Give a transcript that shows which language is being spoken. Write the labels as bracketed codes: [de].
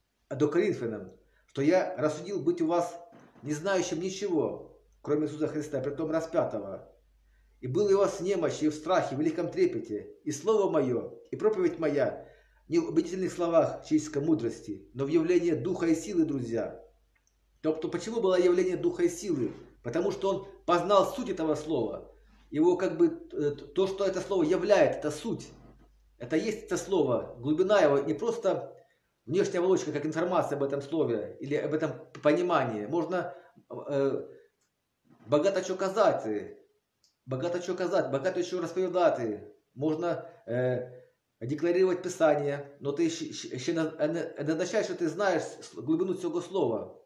[uk] до Коринфянам, що я розсудив бути у вас не знаючим нічого, крім Ісуса Христа, при тому розп'ятого. [ru] И был я у вас в немощи, и в страхе, и в великом трепете. И слово мое, и проповедь моя не в убедительных словах человеческой мудрости, но в явлении духа и силы, друзья. То почему было явление духа и силы? Потому что он познал суть этого слова. Его как бы то, что это слово являет, это суть. Это есть это слово, глубина его, не просто внешняя оболочка, как информация об этом слове или об этом понимании. Можно [uk] богато [ru] что сказать. [uk] Багато чого казати, багато чого розповідати. Можна декларувати писання, але ти ще не означає, що ти знаєш глибину цього слова.